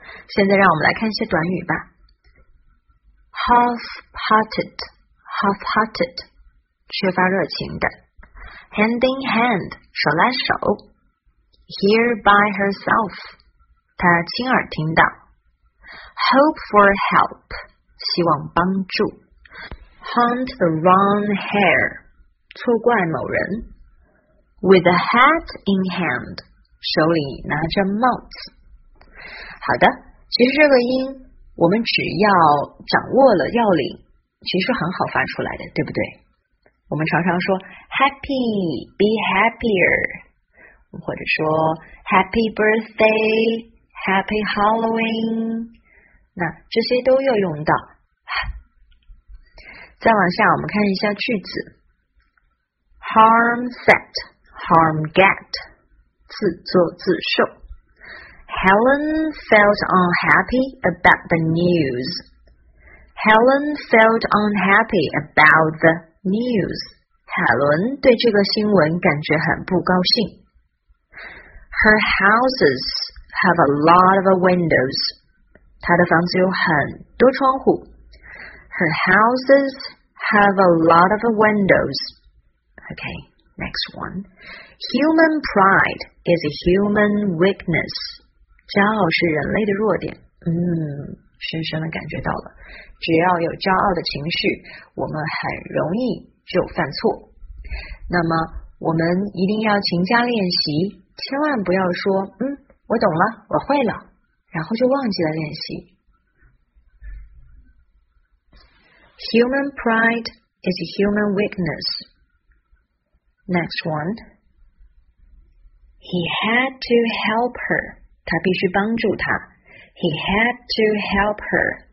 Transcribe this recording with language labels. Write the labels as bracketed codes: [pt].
[zh] 现在让我们来看一些短语吧。 [en] Half-hearted, half-hearted, [zh] 缺乏热情的。 [en] Hand in hand, [zh] 手拉手。 [en] Hear by herself, [zh] 她亲耳听到。 [en] Hope for help, [zh] 希望帮助。 [en] Hunt the wrong hare, [zh] 错怪某人。 [en] With a hat in hand, [zh] 手里拿着帽子。好的，其实这个音我们只要掌握了要领，其实很好发出来的，对不对？我们常常说 [en] Happy, be happier, [zh] 或者说 [en] Happy birthday, Happy Halloween, [zh] 那这些都要用到。再往下我们看一下句子 [en] Harm set, harm get, [zh] 自作自受。 [en] Helen felt unhappy about the news. Helen felt unhappy about the news. [zh] 海伦对这个新闻感觉很不高兴。 [en] Her houses have a lot of windows. [zh] 她的房子有很多窗户。 [en] Her houses have a lot of windows. Okay, next one. Human pride is a human weakness. [zh] 骄傲是人类的弱点。深深的感觉到了，只要有骄傲的情绪，我们很容易就犯错。那么我们一定要勤加练习，千万不要说我懂了，我会了，然后就忘记了练习。 [en] Human pride is a human weakness. Next one. He had to help her. [zh] 他必须帮助她。 [en] He had to help her.